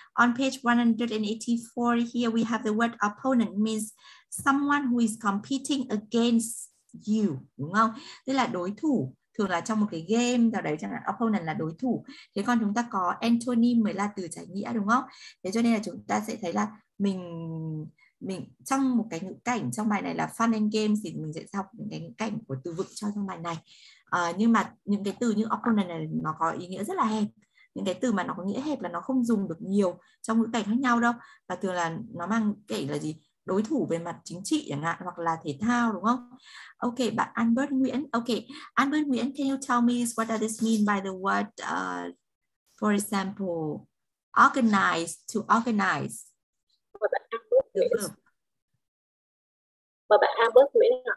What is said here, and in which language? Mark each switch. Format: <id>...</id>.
<en>On page 184 here we have the word opponent means someone who is competing against you,</en> <vi>đúng không? Tức là đối thủ. Thường là trong một cái game nào đấy, chẳng hạn opponent là đối thủ. Thế còn chúng ta có antonym mới là từ trái nghĩa, đúng không? Thế cho nên là chúng ta sẽ thấy là mình trong một cái ngữ cảnh trong bài này là fun and games thì mình sẽ học những cái ngữ cảnh của từ vựng cho trong bài này. Nhưng mà những cái từ như opponent này nó có ý nghĩa rất là hẹp. Những cái từ mà nó có nghĩa hẹp là nó không dùng được nhiều trong ngữ cảnh khác nhau đâu. Và thường là nó mang kể là gì? Đối thủ về mặt chính trị chẳng hạn, hoặc là thể thao, đúng không? Ok, bạn Albert Nguyễn.</vi> <en>Ok, Albert Nguyễn, can you tell me what does this mean by the word, for example, organize, to organize?</en> <vi>Mời bạn Albert Nguyễn.</vi>